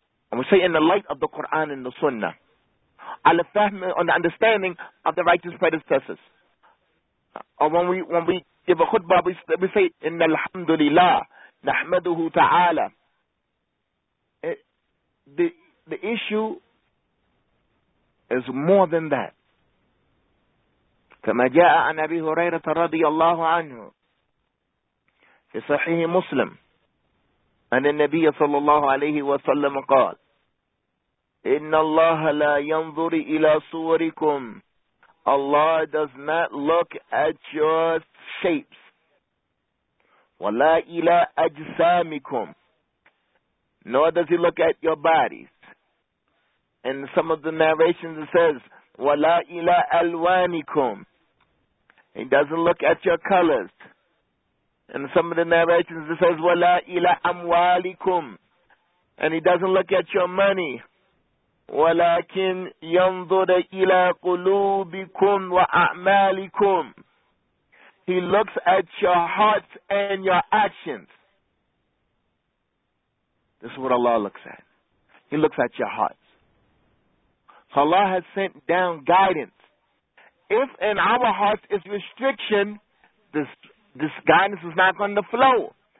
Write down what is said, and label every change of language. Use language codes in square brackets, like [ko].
[en] And we say in the light of the Quran and the Sunnah, on the understanding of the righteous predecessors. Or when we give a khutbah, we say, [ar] Inna alhamdulillah, nahmaduhu ta'ala. [en] The issue is more than that. [ar] كما جاء عن أبي هريرة رضي الله عنه في صحيح مسلم أن النبي صلى الله عليه وسلم قال إن الله لا ينظر إلى صوركم. [en] Allah does not look at your shapes. [ar] ولا إلى أجسامكم. [en] Nor does he look at your bodies. In some of the narrations it says [ar] ولا إلى ألوانكم. [en] He doesn't look at your colors. In some of the narrations it says [ar] ولا إلى أموالكم. [en] And he doesn't look at your money. [ar] ولكن ينظر إلى قلوبكم وأعمالكم. [en] He looks at your hearts and your actions. This is what Allah looks at. He looks at your hearts. So Allah has sent down guidance. If in our hearts is restriction, this guidance is not going to flow.